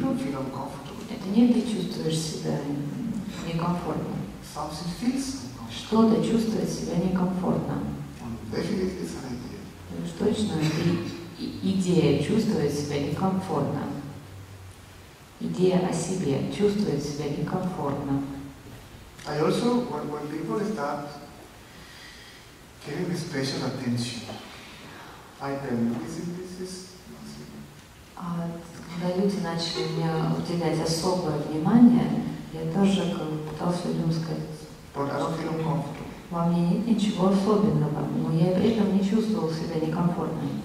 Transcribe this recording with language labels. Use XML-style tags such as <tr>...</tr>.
<ru>Это не ты чувствуешь себя некомфортно. Что-то чувствует себя некомфортно. Уж точно, идея чувствует себя некомфортно. Идея о себе чувствует себя некомфортно.</ru> <en>I also when people start giving me special attention, I tell them this is.</en> <ru>Когда люди начали мне уделять особое внимание, я тоже как бы пытался людям сказать. Во мне нет ничего особенного, но я при этом не чувствовал себя некомфортно.</ru>